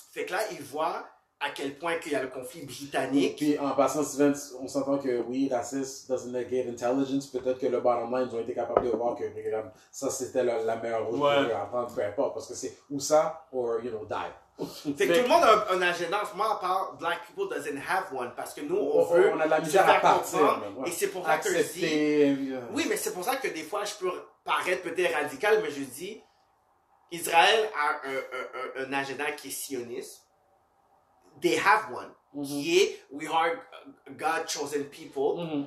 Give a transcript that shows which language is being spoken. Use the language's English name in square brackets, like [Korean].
[French] Fait que là, ils voient à quel point qu'il y a le conflit britannique. Puis en passant, Sven, on s'entend que oui, racisme [English] doesn't negate intelligence. [French] Peut-être que le bottom line, ils ont été capables de voir que ça, c'était la meilleure route pour apprendre, peu importe. Parce que c'est ou ça, [English] or, you know, die. [French] Fait que tout le monde a un agenda. En ce moment, à part [English] Black people doesn't have one. [French] Parce que nous, on veut. On a de la misère à partir. Ouais. Et c'est pour accepter, ça que je dis. Oui, mais c'est pour ça que des fois, je peux paraître peut-être radical, mais je dis Israël a un agenda qui est sioniste. [English] They have one. Mm-hmm. [French] Qui est [English] We are God chosen people. Mm-hmm.